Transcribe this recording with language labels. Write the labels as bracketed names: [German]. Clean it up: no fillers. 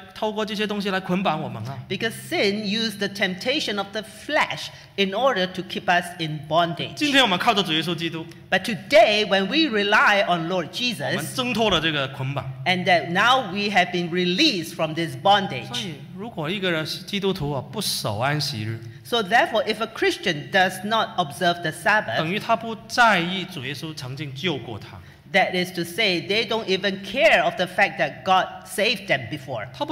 [Chinese] 罪用我们的肉体的软弱,我们的私欲来,透过这些东西来捆绑我们啊。 [English] Because sin used the temptation of the flesh in order to keep us in bondage. [Chinese] 今天我们靠着主耶稣基督, [English] but today, when we rely on Lord Jesus, [Chinese] 我们挣脱了这个捆绑, [English] and that now we have been released from this bondage. [Chinese] 所以,如果一个人基督徒不守安息日, [English] so therefore, if a Christian does not observe the Sabbath, that is to say, they don't even care of the fact that God saved them before.